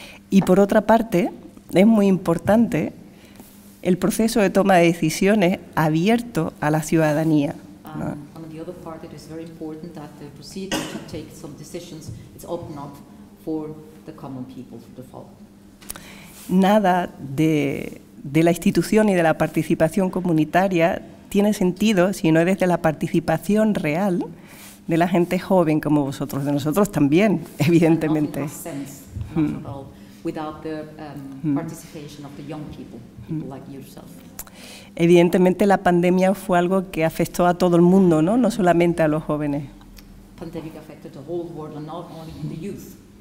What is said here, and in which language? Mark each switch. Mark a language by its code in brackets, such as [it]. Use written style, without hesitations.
[es] Y por otra parte, es muy importante el proceso de toma de decisiones abierto a la ciudadanía, ¿no? [en] Other part, it is very important that the procedure to take some decisions is open up for the common people, for the folk. [es] Nada de la institución y de la participación comunitaria tiene sentido si no es desde la participación real de la gente joven como vosotros, de nosotros también, evidentemente. [en] And nothing has sense, not at all, without the participation of the young people, people like yourself. [es] Evidentemente la pandemia fue algo que afectó a todo el mundo, ¿no? No solamente a los jóvenes. [en] Pandemic affected the whole world and not only the youth.